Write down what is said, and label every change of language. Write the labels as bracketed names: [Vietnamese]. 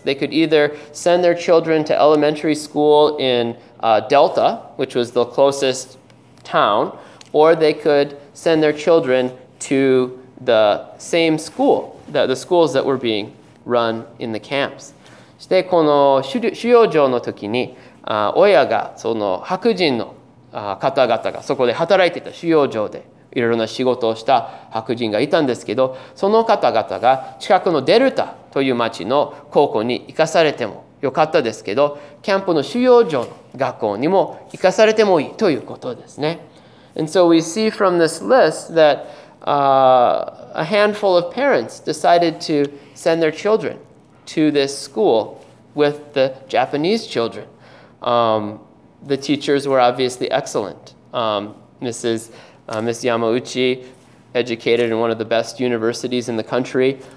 [English] They could either send their children to elementary school in Delta, which was the closest town, or they could send their children to the same school, the schools that were being run in the camps. [Japanese] してこの収容所の時に、親がその白人の方々がそこで働いていた収容所でいろいろな仕事をした白人がいたんですけど、その方々が近くのデルタという町の高校に行かされてもよかったですけど、キャンプの収容所の学校にも行かされてもいいということですね。 [English] And so we see from this list that a handful of parents decided to send their children to this school with the Japanese children. The teachers were obviously excellent. Miss Yamauchi educated in one of the best universities in the country.